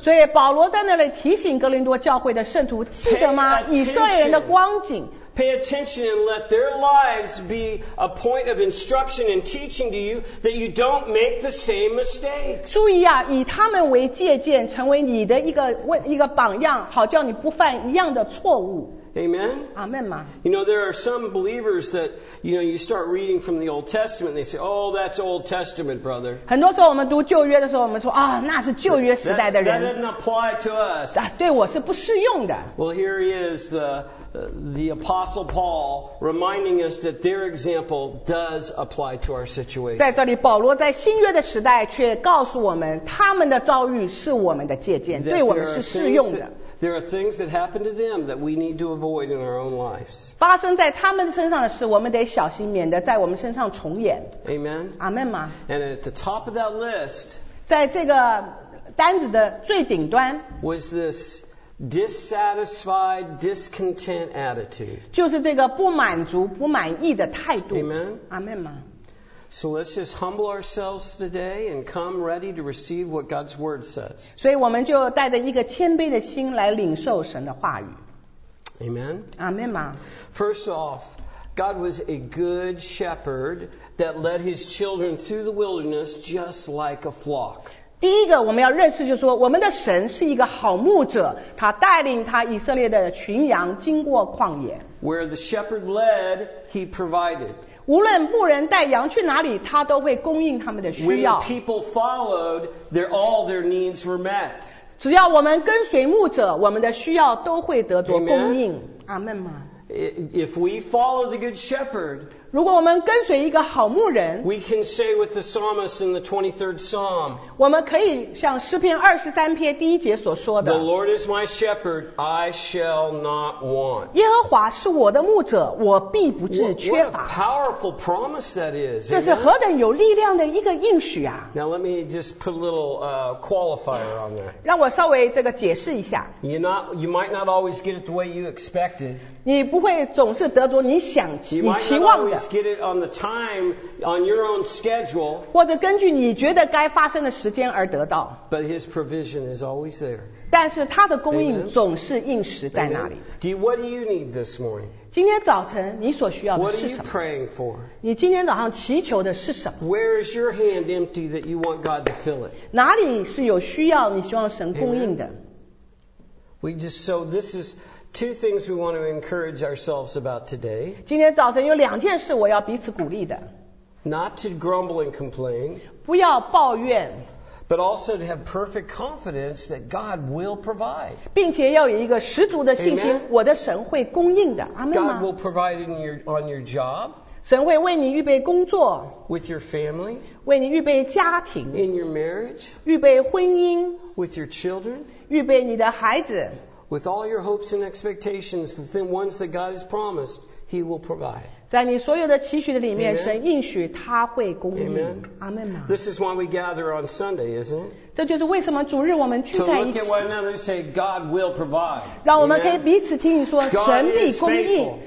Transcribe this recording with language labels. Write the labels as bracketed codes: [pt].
[zh] 所以保罗在那里提醒哥林多教会的圣徒，记得吗？以色列人的光景。 [en] Pay attention and let their lives be a point of instruction and teaching to you that you don't make the same mistakes. [zh] 注意啊，以他们为借鉴，成为你的一个榜样，好叫你不犯一样的错误。 [en] Amen? [zh] Amen, ma. [en] You know, there are some believers that, you know, you start reading from the Old Testament, they say, oh, that's Old Testament, brother. [zh] 很多时候我们读旧约的时候，我们说啊，那是旧约时代的人。 [en] That doesn't apply to us. [zh] 对我是不适用的。 [en] Well, here he is, the Apostle Paul, reminding us that their example does apply to our situation. [zh] 在这里，保罗在新约的时代却告诉我们，他们的遭遇是我们的借鉴，对我们是适用的。 [en] There are things that happen to them that we need to avoid in our own lives. [zh] 发生在他们身上的事，我们得小心，免得在我们身上重演。 [en] Amen. Amen. And at the top of that list, [zh] 在这个单子的最顶端 [en] was this dissatisfied, discontent attitude. [zh] 就是这个不满足、不满意的态度。 [en] Amen. Amen. So let's just humble ourselves today and come ready to receive what God's word says. [zh] 所以我们就带着一个谦卑的心来领受神的话语。 [en] Amen. Amen. First off, God was a good shepherd that led his children through the wilderness just like a flock. [zh] 第一个我们要认识就是说，我们的神是一个好牧者，他带领他以色列的群羊经过旷野。 [en] Where the shepherd led, he provided. [zh] 无论牧人带羊去哪里，他都会供应他们的需要。 [en] When people followed, all their needs were met. [zh] 只要我们跟随牧者，我们的需要都会得着供应。阿门吗？ [en] If we follow the good shepherd, [zh] 如果我们跟随一个好牧人， [en] we can say with the psalmist in the 23rd psalm, [zh] 我们可以像诗篇二十三篇第一节所说的， [en] The Lord is my shepherd, I shall not want. [zh] 耶和华是我的牧者，我必不致缺乏。 [en] What a powerful promise that is. [zh] 这是何等有力量的一个应许啊。 [en] Now let me just put a little qualifier on that. [zh] 让我稍微这个解释一下。 [en] You might not always get it the way you expected. [zh] 你不会总是得着你想你期望的。 [en] Get it on the time on your own schedule, [zh] 或者根据你觉得该发生的时间而得到。 [en] But his provision is always there. [zh] 但是他的供应总是应时在那里。 [en] What do you need this morning? [zh] 今天早晨你所需要的是什么？ [en] What are you praying for? [zh] 你今天早上祈求的是什么？ [en] Where is your hand empty that you want God to fill it? [zh] 哪里是有需要你希望神供应的？ [en] We just so this is. Two things we want to encourage ourselves about today. [zh] 今天早晨有两件事我要彼此鼓励的。 [en] Not to grumble and complain. [zh] 不要抱怨。 [en] But also to have perfect confidence that God will provide. [zh] 并且要有一个十足的信心，我的神会供应的。阿门吗？ [en] God will provide in your, on your job. [zh] 神会为你预备工作。 [en] With your family. [zh] 为你预备家庭。 [en] In your marriage. [zh] 预备婚姻。 [en] With your children. [zh] 预备你的孩子。 [en] With all your hopes and expectations, the ones that God has promised, He will provide. [zh] 在你所有的期许的里面， Amen. 神应许他会供应。 [en] Amen. Amen. This is why we gather on Sunday, isn't it? [zh] 这就是为什么主日我们聚在一起。 [en] To look at one another and say, God will provide. [zh] 让我们可以彼此听你说，神必供应。